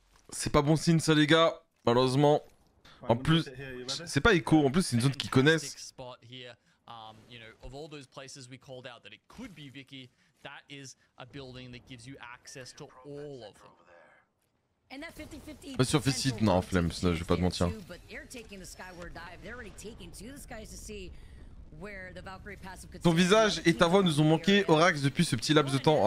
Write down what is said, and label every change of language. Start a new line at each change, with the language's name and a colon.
French: C'est pas bon signe ça les gars, malheureusement. En plus, c'est pas écho, en plus c'est une zone qu'ils connaissent.
English: You know, of all those places we called out that it could be Vicky, that is a building that gives you access to all of them.
French: Sur Fissit, non, flemme, je vais pas te mentir.
English: But they're taking the skyward dive. They're already taking two of the skies to see where the Valkyrie passive could.
French: Ton visage et ta voix nous ont manqué, Orax, depuis ce petit laps de temps.